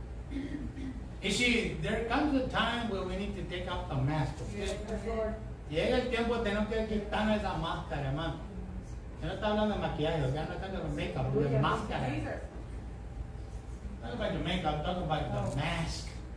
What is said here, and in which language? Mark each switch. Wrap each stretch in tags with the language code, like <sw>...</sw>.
<en>You see, there comes a time where we need to take off the mask.</en> <es>Llega el tiempo de no tener que quitar esa máscara, hermano. Ya no está hablando de maquillaje, ya no está hablando de makeup, de máscara.</es> <en>Talk about your makeup, talk about the mask.</en>